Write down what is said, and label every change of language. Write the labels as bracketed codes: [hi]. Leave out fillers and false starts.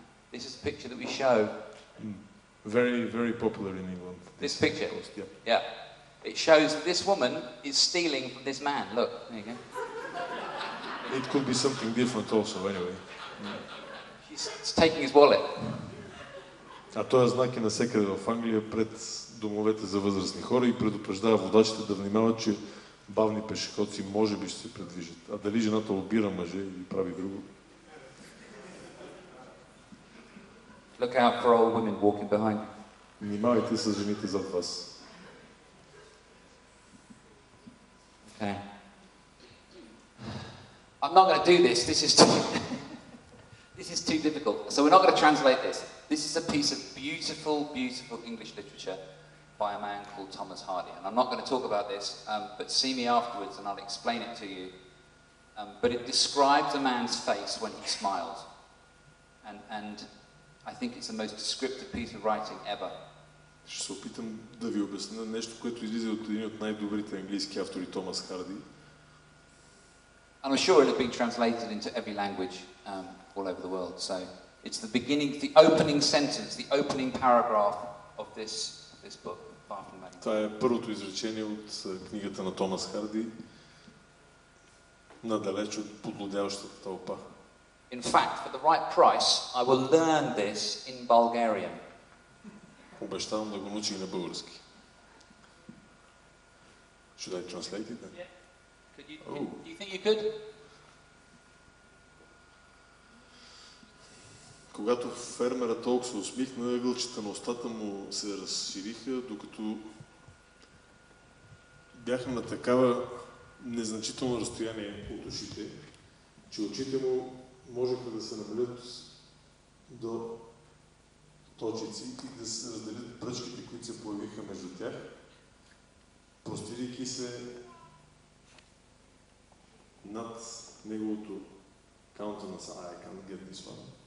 [en] This is a picture that we show. Very, very popular in England. This picture? Post, yeah. Yeah. It shows that this woman is stealing from this man. Look, there you go. It could be something different also, anyway. She's taking his wallet. [bg] А тоя знак е навсякъде в Англия пред домовете за възрастни хора и предупреждава водачите да внимават, че бавни пешеходци може би ще се предвижат. А дали жената обира мъже или прави друго? [en] Look out for old women walking behind you. [bg] Внимавайте с жените зад вас. [en] Okay. I'm not going to do this. This is too difficult. So we're not going to translate this. This is a piece of beautiful, beautiful English literature by a man called Thomas Hardy. And I'm not going to talk about this, but see me afterwards and I'll explain it to you. But it describes a man's face when he smiles. And I think it's the most descriptive piece of writing ever. [bg] Ще се опитам да ви обясня нещо, което излиза от един от най-добрите английски автори, Томас Харди. [en] I'm sure it has been translated into every language all over the world. So it's the beginning, the opening sentence, the opening paragraph of this book, Far From Many. [bg] Това е първото изречение от книгата на Томас Харди, Надалеч от подлудяващата тълпа. [en] In fact, for the right price, I will learn this in Bulgarian. [bg] Обещавам да го науча и на български. [en] Should I translate it then? Do you think you could? [bg] Когато фермерът толкова се усмихна, ъгълчета на устата му се разшириха, докато бяха на такава незначително разстояние от ушите, че очите му можеха да се намалят до точици и да се разделят пръчките, които се появиха между тях, простирайки се над неговото [en] countenance, I can't get this one.